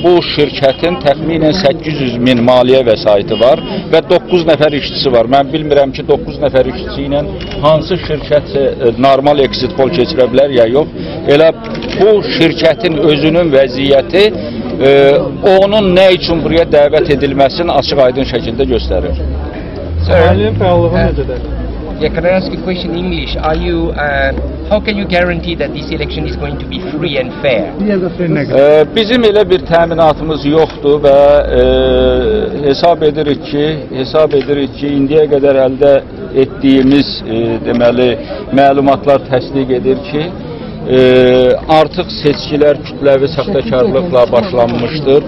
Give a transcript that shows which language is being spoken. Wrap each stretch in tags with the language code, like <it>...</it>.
<az>Bu şirkətin təxminən 800 min maliyyə vəsaiti var və 9 nəfər işçisi var. Mən bilmirəm ki, 9 nəfər işçisi ilə hansı şirkət normal exit poll keçirə bilər ya yox. Elə bu şirkətin özünün vəziyyəti onun nə üçün buraya dəvət edilməsini açıq aydın şəkildə göstərir.</az> <en>Yeah, can I ask a question in English? How can you guarantee that this election is going to be free and fair?</en> <az>Bizim elə bir təminatımız yoxdur və hesab edirik ki, indiyə qədər əldə etdiyimiz deməli məlumatlar təsdiq edir ki, artıq seçkilər kütləvi saxtakarlıqla başlanmışdır.</az>